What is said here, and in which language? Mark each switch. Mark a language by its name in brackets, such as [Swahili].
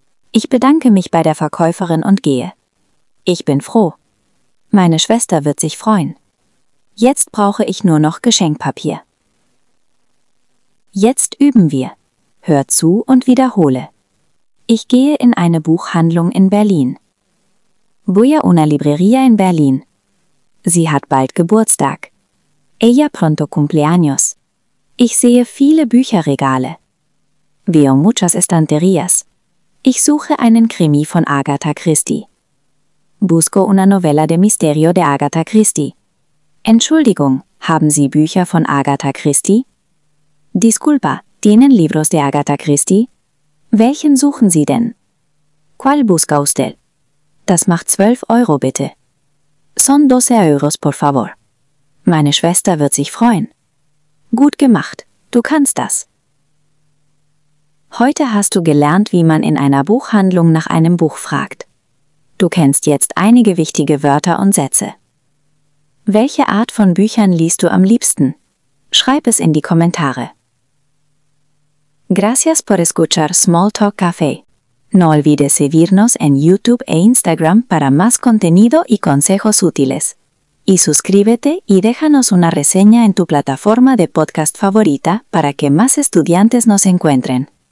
[German] Ich bedanke mich bei der Verkäuferin und gehe. Ich bin froh. Meine Schwester wird sich freuen. Jetzt brauche ich nur noch Geschenkpapier. Jetzt üben wir. Hör zu und wiederhole. Ich gehe in eine Buchhandlung in Berlin. [Spanish] Voy a una librería in Berlin. [German] Sie hat bald Geburtstag. [Spanish] Ella pronto cumpleaños. [German] Ich sehe viele Bücherregale. [Spanish] Veo muchas estanterías. [German] Ich suche einen Krimi von Agatha Christie. [Spanish] Busco una novela de misterio de Agatha Christie. [German] Entschuldigung, haben Sie Bücher von Agatha Christie? [Spanish] Disculpa, ¿tienen libros de Agatha Christie? [German] Welchen suchen Sie denn? [Spanish] Qual busca usted? [German] Das macht 12 Euro bitte. [Spanish] Son 12 euros, por favor. [German] Meine Schwester wird sich freuen. Gut gemacht, du kannst das. Heute hast du gelernt, wie man in einer Buchhandlung nach einem Buch fragt. Du kennst jetzt einige wichtige Wörter und Sätze. Welche Art von Büchern liest du am liebsten? Schreib es in die Kommentare. [Spanish] Gracias por escuchar Smalltalk Café. No olvides seguirnos en YouTube e Instagram para más contenido y consejos útiles. Y suscríbete y déjanos una reseña en tu plataforma de podcast favorita para que más estudiantes nos encuentren.